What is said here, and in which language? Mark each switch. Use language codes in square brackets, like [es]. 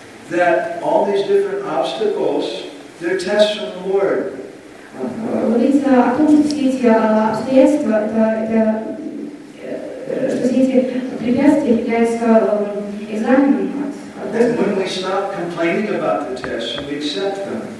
[en] That all these different obstacles, they're tests from the Lord. [ru] Говорится о том, что все эти обстоятельства, что все эти препятствия являются экзаменом. [en] And when we stop complaining about the tests, we accept them.